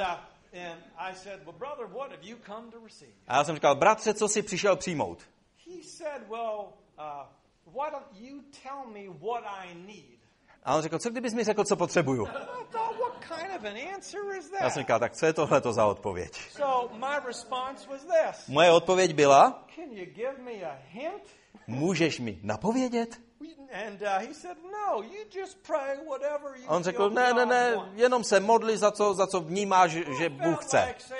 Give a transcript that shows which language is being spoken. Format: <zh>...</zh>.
<en>And I said, well, brother, what have you come to receive?</en> <cs>A já jsem říkal, bratře, co jsi přišel přijmout?</cs> <en>He said, well, why don't you tell me what I need?</en> <cs>A on řekl, co kdybys mi řekl, co potřebuju?</cs> <en>What kind of an answer is that?</en> <cs>Já jsem říkal, tak co je tohle to za odpověď?</cs> <en>So my response was this.</en> <cs>Moje odpověď byla,</cs> <en>can you give me a hint?</en> <cs>Můžeš mi napovědět?</cs> <en>And he said, no, you just pray whatever you</en> <cs>On řekl, ne, jenom se modli za co vnímáš, že Bůh chce.</cs>